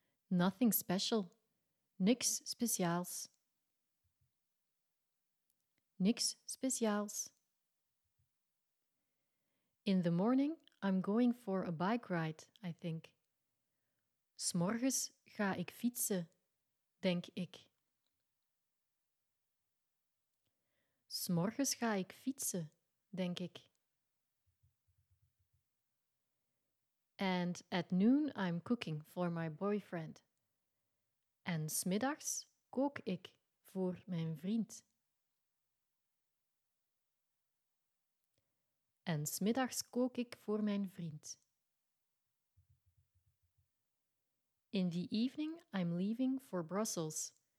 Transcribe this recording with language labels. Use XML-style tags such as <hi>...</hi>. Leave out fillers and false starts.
<en>Nothing special.</en> <nl>Niks speciaals. Niks speciaals.</nl> <en>In the morning, I'm going for a bike ride, I think.</en> <nl>'S morgens ga ik fietsen, denk ik. 'S morgens ga ik fietsen, denk ik.</nl> <en>And at noon I'm cooking for my boyfriend.</en> <nl>En 's middags kook ik voor mijn vriend. En 's middags kook ik voor mijn vriend.</nl> <en>In the evening I'm leaving for Brussels.</en>